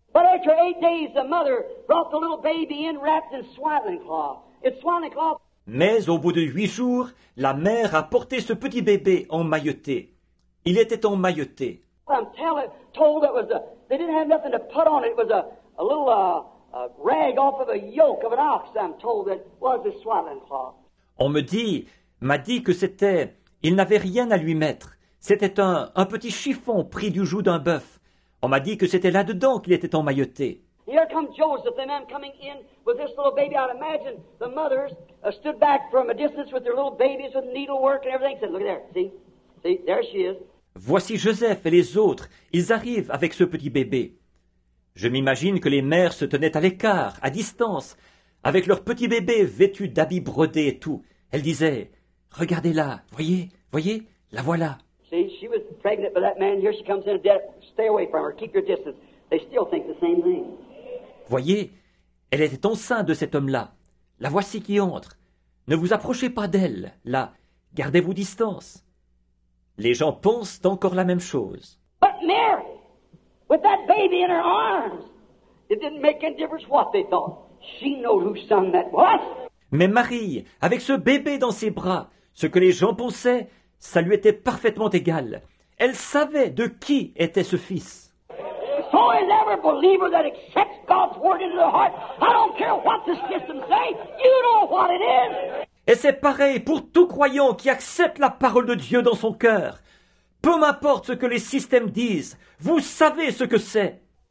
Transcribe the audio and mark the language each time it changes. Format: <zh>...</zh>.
<en>But after 8 days, the mother brought the little baby in wrapped in swaddling cloth. It's swaddling cloth.</en> <fr>Mais au bout de 8 jours, la mère a porté ce petit bébé emmailloté. Il était emmailloté.</fr> <en>I'm telling, told it was a, they didn't have nothing to put on it. It was a little a rag off of a yoke of an ox, I'm told, that was a swaddling cloth.</en> <fr>On m'a dit que c'était, il n'avait rien à lui mettre. C'était un petit chiffon pris du joug d'un bœuf. On m'a dit que c'était là-dedans qu'il était emmailloté.</fr> <en>Here comes Joseph, the man coming in with this little baby. I'd imagine the mothers stood back from a distance with their little babies with needlework and everything. Said, look at there, see? See, there she is.</en> <fr>Voici Joseph et les autres. Ils arrivent avec ce petit bébé. Je m'imagine que les mères se tenaient à l'écart, à distance, avec leur petit bébé vêtu d'habits brodés et tout. Elles disaient, regardez-la, voyez, la voilà.</fr> <en>See, she was pregnant by that man. Here she comes in a debt. Stay away from her. Keep your distance. They still think the same thing.</en> <fr>Voyez, elle était enceinte de cet homme-là. La voici qui entre. Ne vous approchez pas d'elle, là. Gardez-vous distance. Les gens pensent encore la même chose.</fr> <en>But Mary, with that baby in her arms, it didn't make any difference what they thought. She knows whose son that was.</en> <fr>Mais Marie, avec ce bébé dans ses bras, ce que les gens pensaient, ça lui était parfaitement égal. Elle savait de qui était ce fils.</fr> <en>So is every believer that accepts God's word into their heart. I don't care what the system says. You know what it is.</en> <fr>Et c'est pareil pour tout croyant qui accepte la parole de Dieu dans son cœur. Peu m'importe ce que les systèmes disent, vous savez ce que c'est.</fr>